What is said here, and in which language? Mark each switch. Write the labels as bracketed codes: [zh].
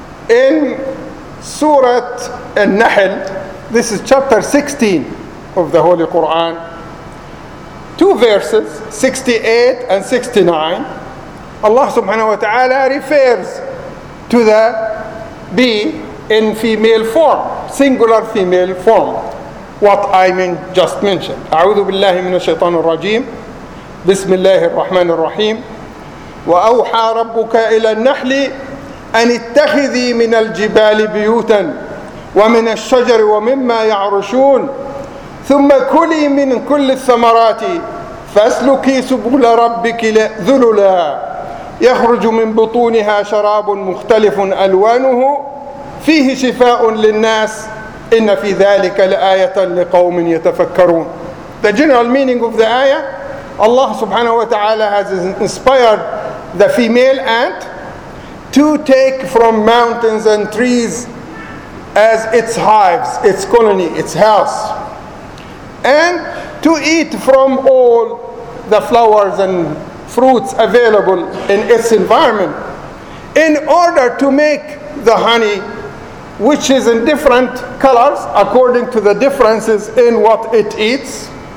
[en] In Surah An-Nahl, this is chapter 16 of the Holy Quran, two verses, 68 and 69, Allah subhanahu wa ta'ala refers to the bee in female form, singular female form, what I mean just mentioned. [ar] أعوذ بالله من الشيطان الرجيم بسم الله الرحمن الرحيم وأوحى ربك إلى النحل أن اتخذي من الجبال بيوتا ومن الشجر ومما يعرشون ثم كلي من كل الثمرات فاسلكي سبل ربك ذللا يخرج من بطونها شراب مختلف ألوانه فيه شفاء للناس إن في ذلك لآية لقوم يتفكرون. [en] The general meaning of the ayah, Allah subhanahu wa ta'ala has inspired the female ant to take from mountains and trees as its hives, its colony, its house, and to eat from all the flowers and fruits available in its environment in order to make the honey, which is in different colors according to the differences in what it eats.